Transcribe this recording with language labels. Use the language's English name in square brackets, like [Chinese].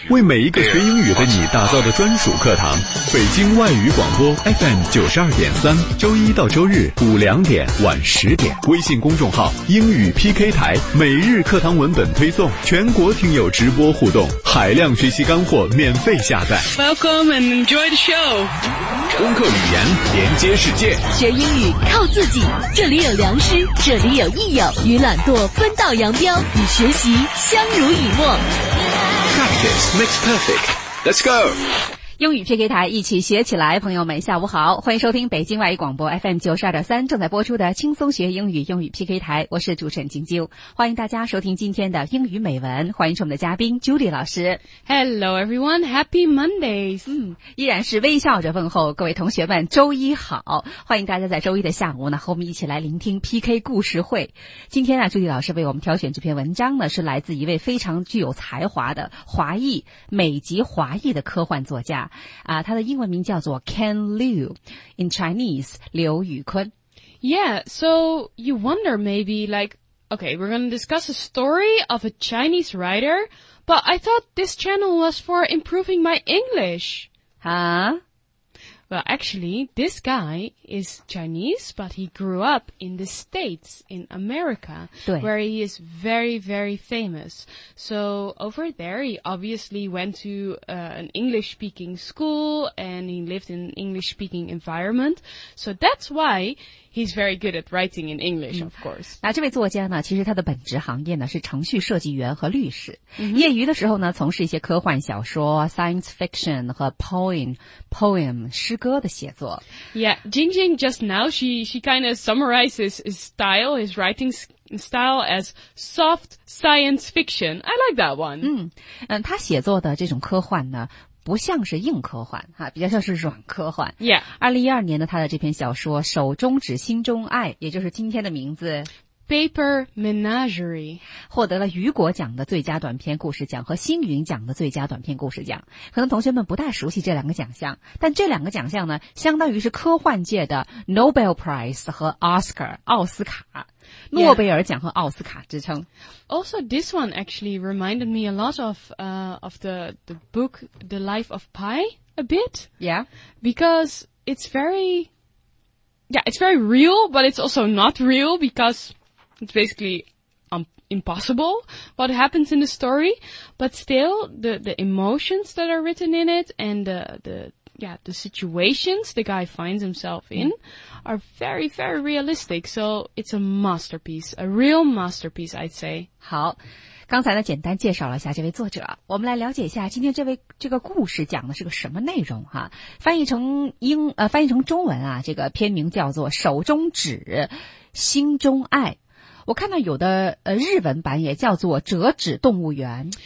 [Chinese] 为每一个学英语的你打造的专属课堂。北京外语广播 FM92.3， 周一到周日5-2点晚10点，微信公众号英语 PK 台，每日课堂文本推送，全国听友直播互动，海量学习干货免费下载。 [English] Welcome and enjoy the show。 [Chinese] 攻克语言，连接世界，学英语靠自己，这里有良师，这里有益友，与懒惰分道扬镳，与学习相濡以沫。 [English] Practice makes perfect. Let's go. [Chinese] 英语 PK 台，一起学起来。朋友们下午好，欢迎收听北京外语广播 FM92.3 正在播出的轻松学英语英语 PK 台，我是主持人晶晶。欢迎大家收听今天的英语美文，欢迎是我们的嘉宾 Julie 老师。 [English] Hello everyone, happy Mondays. [Chinese] 依然是微笑着问候各位同学们周一好，欢迎大家在周一的下午呢和我们一起来聆听 PK 故事会。今天啊 Julie 老师为我们挑选这篇文章呢，是来自一位非常具有才华的华裔美籍华裔的科幻作家啊，他的英文名叫做 Ken Liu, [English] in Chinese, [Chinese] 刘宇坤。 [English] Yeah, so you wonder maybe like, okay, we're going to discuss a story of a Chinese writer, but I thought this channel was for improving my English. Huh? Well, actually, this guy is Chinese, but he grew up in the States, in America, where he is very, very famous. So over there, he obviously went to an English-speaking school and he lived in an English-speaking environment. So that's why he's very good at writing in English, of course. [Chinese] 那这位作家呢，其实他的本职行业呢是程序设计员和律师。 Mm-hmm. 业余的时候呢，从事一些科幻小说 ,science fiction 和 poem, 诗歌的写作。 [English] Yeah, Jingjing just now, she kind of summarizes his style, his writing style as soft science fiction. I like that one. [Chinese] 他写作的这种科幻呢不像是硬科幻哈，比较像是软科幻。 [English] Yeah. [Chinese] 2012年的他的这篇小说手中指心中爱，也就是今天的名字 [English] Paper Menagerie， [Chinese] 获得了雨果奖的最佳短篇故事奖和星云奖的最佳短篇故事奖。可能同学们不大熟悉这两个奖项，但这两个奖项呢相当于是科幻界的 Nobel Prize 和 Oscar 奥斯卡，诺贝尔奖和奥斯卡之称。 [English] Yeah. Also, this one actually reminded me a lot of the book The Life of Pi a bit. Yeah. Because it's very real, but it's also not real because it's basically impossible what happens in the story. But still, the emotions that are written in it and the situations the guy finds himself in are very, very realistic. So it's a masterpiece, a real masterpiece, I'd say. [Chinese] 好，刚才呢简单介绍了一下这位作者，我们来了解一下今天这个故事讲的是个什么内容哈。翻译成中文啊，这个片名叫做手中指心中爱。我看到有的日文版也叫做折纸动物园。